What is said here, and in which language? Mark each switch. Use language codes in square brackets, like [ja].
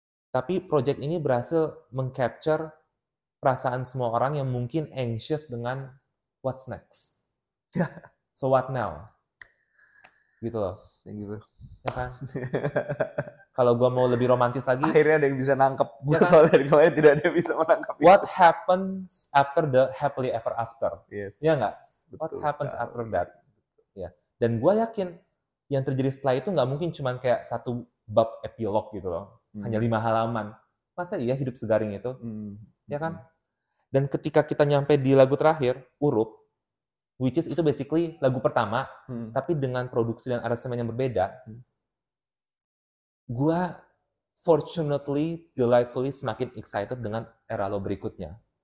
[id] Tapi project ini berhasil mengcapture perasaan semua orang yang mungkin anxious dengan [en] what's next. So what now? [id] Gitu loh. [en] Thank you, bro. [id] Ya kan? Kalau gue mau lebih romantis lagi, akhirnya ada yang bisa nangkep. Ya kan? Soalnya dari kemarin tidak ada yang bisa menangkep. [en] What happens after the happily ever after? Yes. [id] Ya nggak? [en] What happens sekali after that? [id] Ya. Dan gue yakin yang terjadi setelah itu nggak mungkin cuma kayak satu bab epilog gitu loh. Hanya 5 halaman. Masa iya hidup segaring itu? Ya kan? Dan ketika kita nyampe di lagu terakhir, Urup, which is itu basically lagu pertama, tapi dengan produksi dan aransemen yang berbeda, gue [en] fortunately, delightfully [id] semakin excited dengan era lo berikutnya.